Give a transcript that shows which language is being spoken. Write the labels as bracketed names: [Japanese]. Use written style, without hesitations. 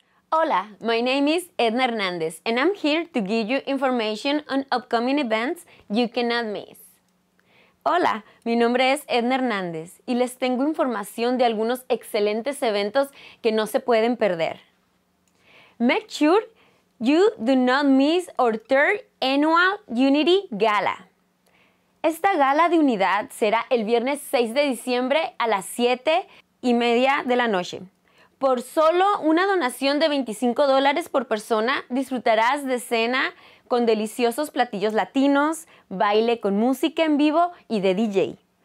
[English] Hola, my name is Edna Hernandez, and I'm here to give you information on upcoming events you cannot miss. [Spanish] Hola, mi nombre es Edna Hernández y les tengo información de algunos excelentes eventos que no se pueden perder. [English] Make sure you do not miss our third annual Unity Gala. [Spanish] Esta gala de unidad será el viernes 6 de diciembre a las 7:30 de la noche. Por solo una donación de $25 por persona, disfrutarás de cena con deliciosos platillos latinos, baile con música en vivo y de DJ.